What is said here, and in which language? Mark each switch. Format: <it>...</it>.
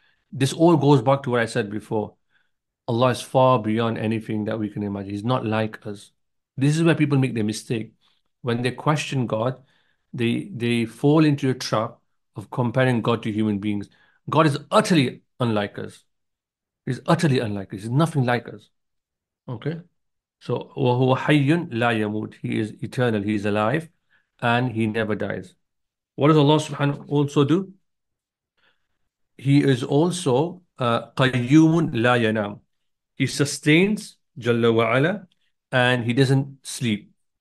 <en>This all goes back to what I said before. Allah is far beyond anything that we can imagine. He's not like us. This is where people make their mistake. When they question God, they fall into a trap of comparing God to human beings. God is utterly unlike us. He's utterly unlike us. He's nothing like us. Okay?</en> <ar>So, وَهُوَ حَيٌّ لَا يَمُوتُ.</ar> <en>He is eternal. He is alive. And He never dies. What does Allah subhanahu also do? He is also</en> <ar>قَيُّومٌ لَا يَنَامُ.</ar> <en>He sustains,</en> <ar>جَلَّ وَعَلَى,</ar> <en>and He doesn't sleep.</en>